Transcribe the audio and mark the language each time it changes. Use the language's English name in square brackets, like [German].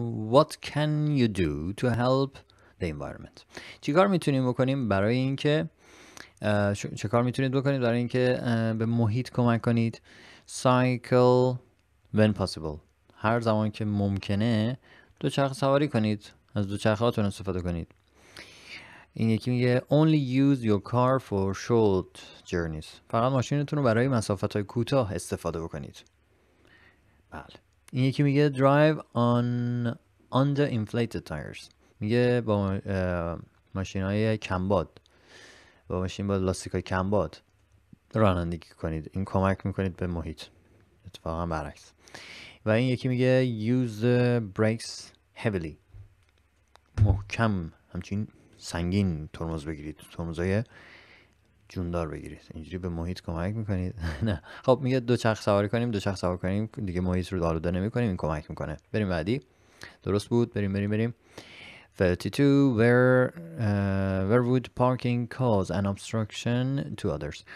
[English] What can you do to help the environment؟ [Persian] چی کار میتونیم بکنیم برای اینکه چه کار میتونید بکنید برای اینکه به محیط کمک کنید؟ [English] Cycle when possible. [Persian] هر زمان که ممکنه دوچرخه سواری کنید، از دوچرخه‌هاتون استفاده کنید. این یکی میگه [English] only use your car for short journeys. [Persian] فقط ماشینتون رو برای مسافت‌های کوتاه استفاده بکنید. بله. این یکی میگه [English] drive on under inflated tires. [Persian] میگه با ماشین‌های کمباد، با ماشین با لاستیک‌های کمباد رانندگی کنید. این کمک می‌کنید به محیط. اتفاقا برعکس. و این یکی میگه [English] use the brakes heavily. [Persian] محکم، همچنین سنگین ترمز بگیرید، ترمزای جوندار بگیرید. اینجوری به محیط کمک میکنید. نه. خب میگه دوچرخ سواری کنیم، دوچرخ سواری کنیم دیگه محیط رو آلوده نمیکنیم، این کمک میکنه. بریم بعدی. درست بود. بریم. [English] 32 where would parking cause an obstruction to others.